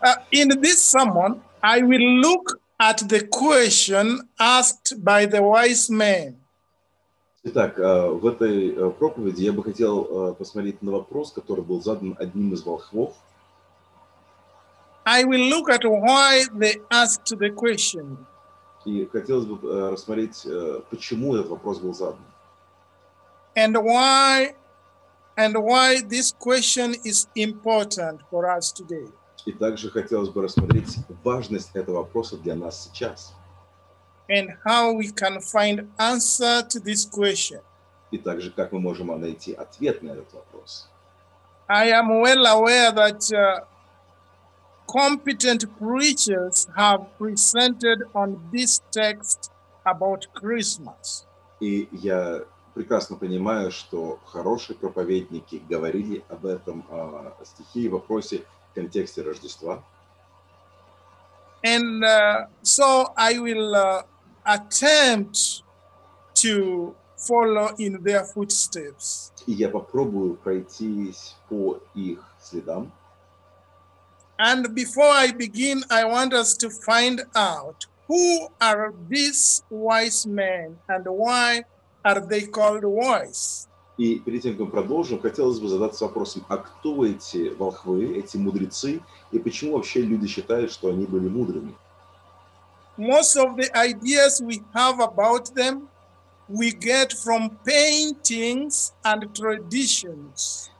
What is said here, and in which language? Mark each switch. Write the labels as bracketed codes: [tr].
[en] In this sermon, I will look at the question asked by the wise man. [ru] Итак, в этой проповеди я бы хотел посмотреть на вопрос, который был задан одним из волхвов. [en] I will look at why they asked the question. [ru] И хотелось бы рассмотреть, почему этот вопрос был задан. [en] And why this question is important for us today. [ru] И также хотелось бы рассмотреть важность этого вопроса для нас сейчас. [en] And how we can find answer to this question. [ru] И также, как мы можем найти ответ на этот вопрос. [en] I am well aware that competent preachers have presented on this text about Christmas. [ru] И я прекрасно понимаю, что хорошие проповедники говорили об этом стихе и вопросе в контексте Рождества. [en] And so I will attempt to follow in their footsteps. [ru] И я попробую пройтись по их следам. [en] And before I begin, I want us to find out who are these wise men and why are they called wise? [ru] И перед тем, как мы продолжим, хотелось бы задаться вопросом, а кто эти волхвы, эти мудрецы, и почему вообще люди считают, что они были мудрыми? [en] Most of the ideas we have about them, we get from paintings and traditions.